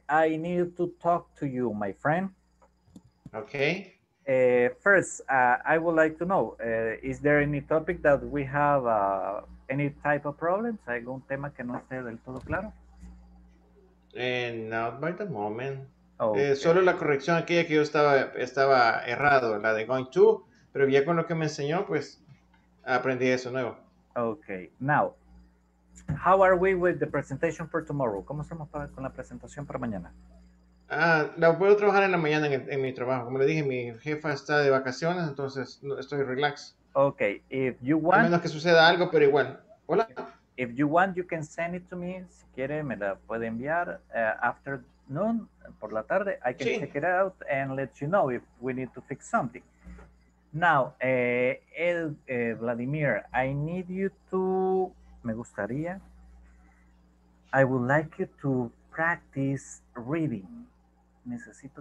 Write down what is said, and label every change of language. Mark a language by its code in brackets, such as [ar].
[en] I need to talk to you, my friend. Okay. First, I would like to know, is there any topic that we have any type of problems? [es] ¿Algún tema que no esté del todo claro? [en] Not by the moment. Okay. [es] Solo la corrección aquella que yo estaba errado, la de going to, pero ya con lo que me enseñó, pues aprendí eso nuevo. [en] Okay, now. How are we with the presentation for tomorrow? [es] ¿Cómo estamos con la presentación para mañana? La puedo trabajar en la mañana en mi trabajo. Como le dije, mi jefa está de vacaciones, entonces estoy relax. [en] Okay, if you want... [es] A menos que suceda algo, pero igual. Hola. [en] If you want, you can send it to me. [es] Si quiere, me la puede enviar [en] afternoon, [es] por la tarde. [en] I can check it out and let you know if we need to fix something. Now, Vladimir, I need you to... [es] Me gustaría. [en] I would like you to practice reading. [es] Necesito